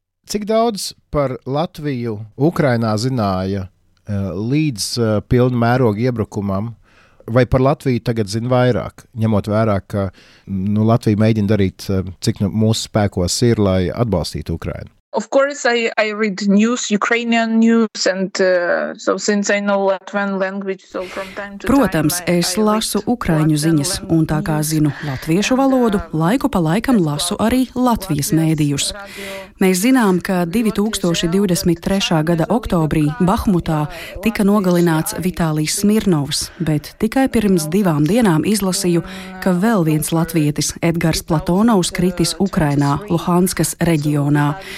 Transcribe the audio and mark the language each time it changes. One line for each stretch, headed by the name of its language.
Latvian: Cik daudz par Latviju Ukrainā zināja līdz pilna mēroga iebrukumam, vai par Latviju tagad zina vairāk, ņemot vairāk, ka nu, Latvija mēģina darīt, cik nu, mūsu spēkos ir, lai atbalstītu Ukrainu?
English: Of course, I read news, Ukrainian news, and so since I know Latvian language, so from time to time...
Latvian: Protams, es lasu ukraiņu ziņas, un tā kā zinu latviešu valodu, laiku pa laikam lasu arī Latvijas mēdījus. Mēs zinām, ka 2023. Gada oktobrī Bahmutā tika nogalināts Vitālijs Smirnovs, bet tikai pirms divām dienām izlasīju, ka vēl viens latvietis Edgars Platonovs kritis Ukrainā, Luhanskas reģionā.